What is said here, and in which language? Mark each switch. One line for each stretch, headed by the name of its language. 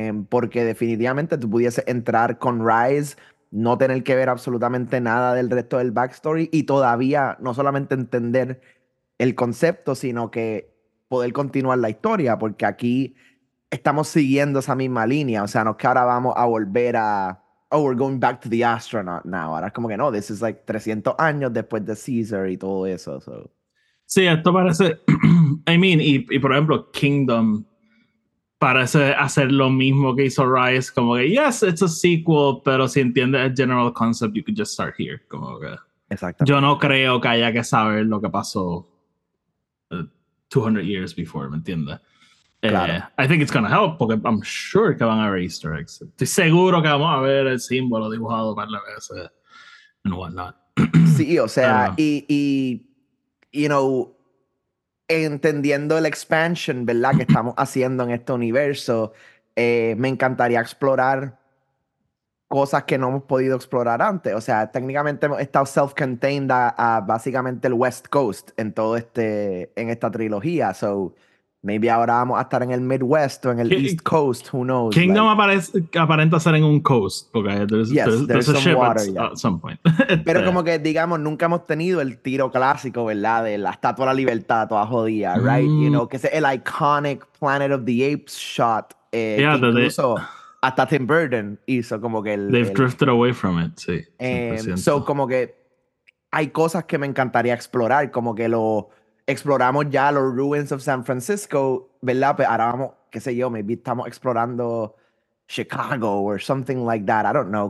Spanish: Porque definitivamente tú pudieses entrar con Rise, no tener que ver absolutamente nada del resto del backstory y todavía no solamente entender el concepto, sino que poder continuar la historia. Porque aquí... estamos siguiendo esa misma línea. O sea, no es que ahora vamos a volver a...
English: Oh, we're going back to the astronaut now.
Spanish: Ahora es como que no,
English: this is like
Spanish: 300 años después de Caesar y todo eso. So. Sí, esto parece...
English: I mean,
Spanish: y por ejemplo, Kingdom parece hacer lo mismo que hizo Rise. Como que,
English: yes, it's a sequel,
Spanish: pero si entiendes el
English: general concept, you could just start here. Como que...
Spanish: Exactamente. Yo no creo que haya que saber lo que pasó 200
English: years before,
Spanish: ¿me entiendes? Claro.
English: I think it's going to help,
Spanish: porque
English: I'm sure
Spanish: que van a ver
English: Easter eggs.
Spanish: Estoy seguro que vamos a ver el símbolo dibujado para la vez
English: and whatnot.
Spanish: Sí, o sea, y,
English: you know,
Spanish: entendiendo el expansion, ¿verdad? Que estamos haciendo en este universo, me encantaría explorar cosas que no hemos podido explorar antes. O sea, técnicamente hemos estado self-contained a básicamente el West Coast en todo este, en esta trilogía.
English: So, maybe
Spanish: ahora vamos a estar en el Midwest o en el East Coast.
English: Who knows? Kingdom like,
Spanish: aparenta ser en un
English: coast. Okay, there's some water. Yeah. At some point.
Spanish: Pero como que, digamos, nunca hemos tenido el tiro clásico, ¿verdad? De la Estatua de la Libertad toda jodida,
English: right? You know,
Spanish: que es el iconic Planet of the Apes shot. Yeah, que incluso hasta Tim Burton hizo como que el...
English: They've drifted away from it, sí.
Spanish: So, como que hay cosas que me encantaría explorar, como que lo... Exploramos ya los ruins of San Francisco, ¿verdad? Pero ahora vamos, qué sé yo,
English: maybe
Spanish: estamos explorando Chicago
English: or something like that. I don't know.